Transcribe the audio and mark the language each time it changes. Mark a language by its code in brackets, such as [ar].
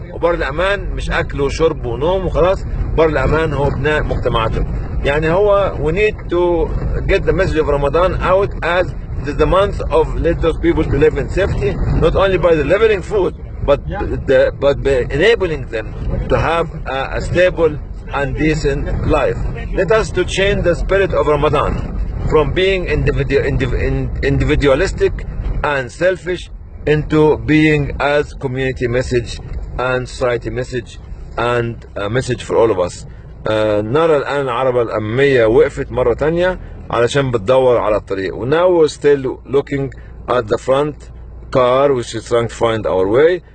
[ar] وبر الأمان مش أكل وشرب ونوم وخلاص، بر الأمان هو بناء مجتمعاتهم. يعني هو [en] we need to get the message of Ramadan out as this the month of let those people to live in safety, not only by delivering food but by enabling them to have a stable and decent life. Let us to change the spirit of Ramadan from being individualistic and selfish into being as community message and society message and a message for all of us. [ar] نرى الآن العربة الأمية وقفت مرة تانية علشان بتدور على الطريق. [en] و now we're still looking at the front car which is trying to find our way.